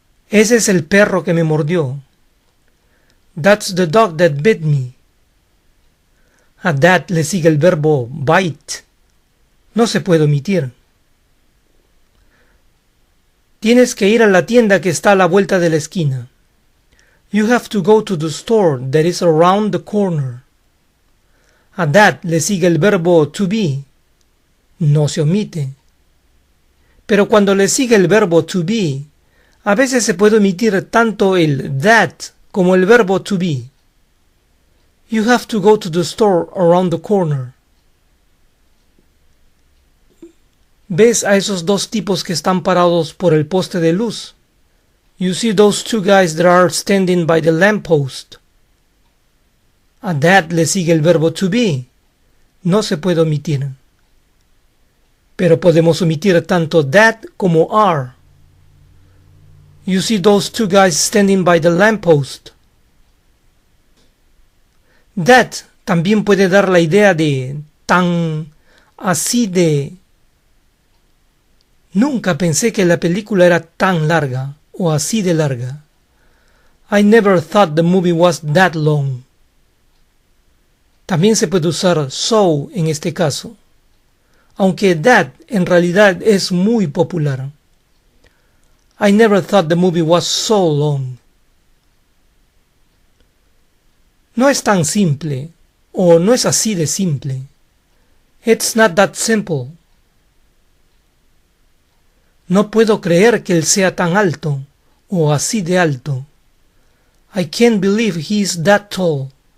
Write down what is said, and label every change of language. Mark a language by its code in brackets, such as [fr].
[es] Ese es el perro que me mordió. [en] That's the dog that bit me. [es] A that le sigue el verbo bite. No se puede omitir. Tienes que ir a la tienda que está a la vuelta de la esquina. [en] You have to go to the store that is around the corner. [es] A that le sigue el verbo to be. No se omite. Pero cuando le sigue el verbo to be, a veces se puede omitir tanto el that como el verbo to be. [en] You have to go to the store around the corner. [es] ¿Ves a esos dos tipos que están parados por el poste de luz? [en] You see those two guys that are standing by the lamppost. [es] A that le sigue el verbo to be. no se puede omitir. Pero podemos omitir tanto that como are. [en] You see those two guys standing by the lamppost. [es] That también puede dar la idea de tan así de... Nunca pensé que la película era tan larga o así de larga. [en] I never thought the movie was that long. [es] También se puede usar so en este caso, aunque that en realidad es muy popular. [en] I never thought the movie was so long. [es] No es tan simple, o no es así de simple. [en] It's not that simple. [es] No puedo creer que él sea tan alto, o así de alto. [en] I can't believe he is that tall.